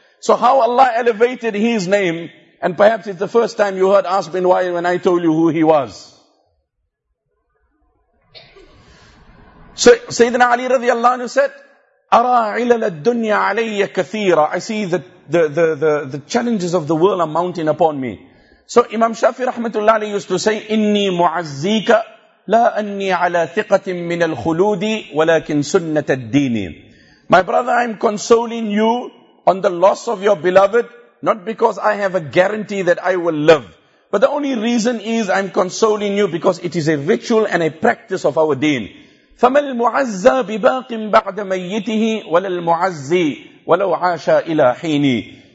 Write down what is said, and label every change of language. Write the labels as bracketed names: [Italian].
[English] So how Allah elevated his name, and perhaps it's the first time you heard Asb bin Wail when I told you who he was. So Sayyidina Ali radiallahu anhu said, [Arabic] أَرَى عِلَلَ الدُّنْيَا عَلَيَّ كَثِيرًا. [English] I see that the challenges of the world are mounting upon me. So Imam Shafi rahmatullah alayhi used to say, [Arabic] إِنِّي مُعَزِّيكَ لَا أَنِّي عَلَى ثِقَةٍ مِّنَ الْخُلُودِ وَلَكِنْ سُنَّةَ الدِّينِ. [English] My brother, I'm consoling you on the loss of your beloved, not because I have a guarantee that I will live. But the only reason is I'm consoling you because it is a ritual and a practice of our deen. [Arabic] فَمَا الْمُعَزَّى بِبَاقٍ بَعْدَ مَيِّتِهِ وَلَا الْمُعَزِّي وَلَوْ عَاشَى إِلَى حِينِ.